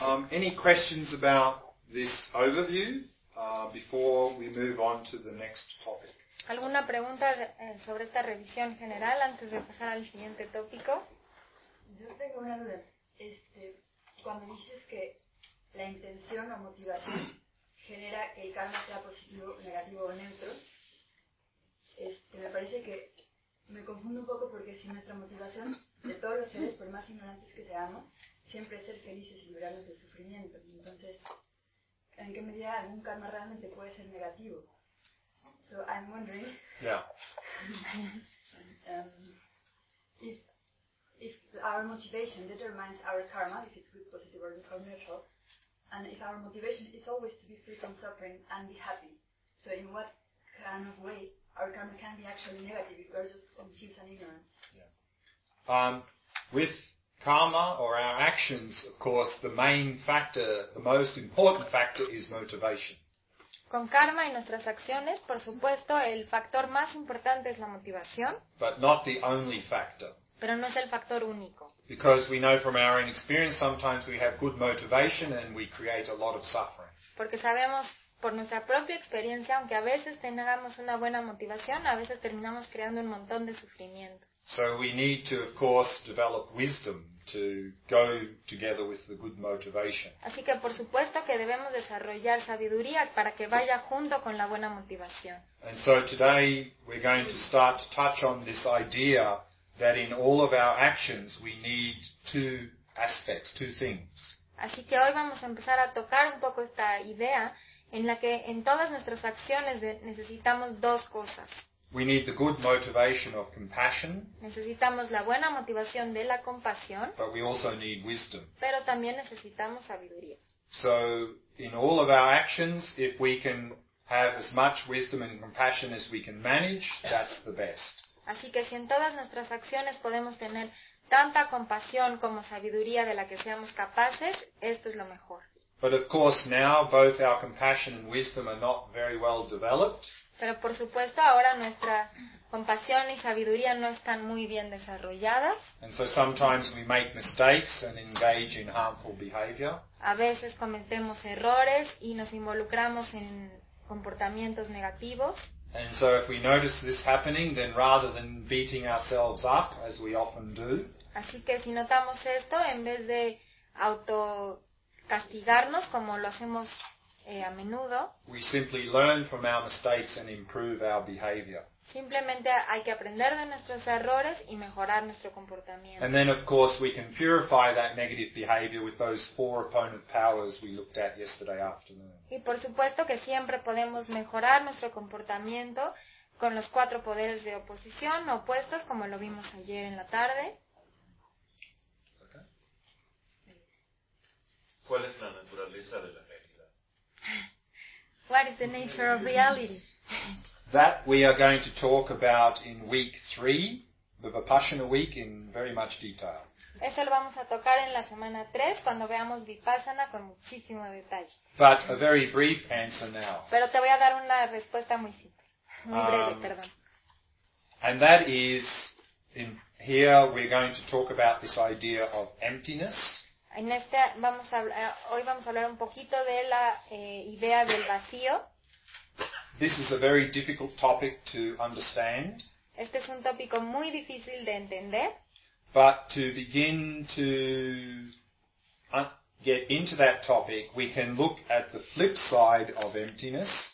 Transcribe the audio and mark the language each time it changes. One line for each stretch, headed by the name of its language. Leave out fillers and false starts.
English: Any questions about this overview before we move on to the next topic?
Spanish: ¿Alguna pregunta sobre esta revisión general antes de pasar al siguiente tópico? Yo tengo una duda. Cuando dices que la intención o motivación genera que el karma sea positivo, negativo o neutro, me parece que me confundo un poco porque si nuestra motivación de todos los seres, por más ignorantes que seamos, siempre es ser felices y liberarnos del sufrimiento. Entonces, ¿en qué medida algún karma realmente puede ser negativo?
English: So I'm wondering. Yeah. If our motivation determines our karma, if it's good, positive, or neutral, and if our motivation is always to be free from suffering and be happy, so in what kind of way our karma can be actually negative if we're just confused and ignorant? Yeah. With karma or our actions, of course, the main factor, the most important factor, is motivation.
Spanish: Con karma y nuestras acciones, por supuesto, el factor más importante es la motivación.
English: But not the only factor.
Spanish: Pero no es el factor único.
English: Because we know from our own experience sometimes we have good motivation and we create a lot of suffering.
Spanish: Porque sabemos por nuestra propia experiencia, aunque a veces tengamos una buena motivación, a veces terminamos creando un montón de sufrimiento.
English: So we need to, of course, develop wisdom to go together with the good motivation.
Spanish: Así que por supuesto que debemos desarrollar sabiduría para que vaya junto con la buena motivación.
English: And so today we're going to start to touch on this idea that in all of our actions we need two aspects, two things.
Spanish: Así que hoy vamos a empezar a tocar un poco esta idea en la que en todas nuestras acciones necesitamos dos cosas.
English: We need the good motivation of compassion.
Spanish: Necesitamos la buena motivación de la compasión.
English: But we also need wisdom.
Spanish: Pero también necesitamos sabiduría.
English: So, in all of our actions, if we can have as much wisdom and compassion as we can manage, that's the best.
Spanish: Así que si en todas nuestras acciones podemos tener tanta compasión como sabiduría de la que seamos capaces, esto es lo mejor.
English: But of course, now both our compassion and wisdom are not very well developed.
Spanish: Pero por supuesto ahora nuestra compasión y sabiduría no están muy bien desarrolladas.
English: And so sometimes we make mistakes and engage in harmful behavior.
Spanish: A veces cometemos errores y nos involucramos en comportamientos negativos.
English: And so if we notice this happening, then rather than beating ourselves up, as we often do,
Spanish: así que si notamos esto, en vez de auto castigarnos como lo hacemos a menudo,
English: we simply learn from our mistakes and improve our behavior.
Spanish: Simplemente hay que aprender de nuestros errores y mejorar nuestro comportamiento.
English: And then of course we can purify that negative behavior with those four opponent powers we looked at yesterday afternoon.
Spanish: Y por supuesto que siempre podemos mejorar nuestro comportamiento con los cuatro poderes de oposición opuestos como lo vimos ayer en la tarde. ¿Cuál es la naturaleza de la realidad?
English: What is the nature of reality? That we are going to talk about in week 3, the Vipassana week, in very much detail.
Spanish: Eso lo vamos a tocar en la semana 3 cuando veamos Vipassana con muchísimo detalle.
English: But a very brief answer now.
Spanish: Pero te voy a dar una respuesta muy simple, muy breve, perdón.
English: And that is, in here we're going to talk about this idea of emptiness.
Spanish: En este vamos a hablar, hoy vamos a hablar un poquito de la idea del vacío.
English: This is a very difficult topic to understand.
Spanish: Este es un tópico muy difícil de entender.
English: But to begin to get into that topic, we can look at the flip side of emptiness.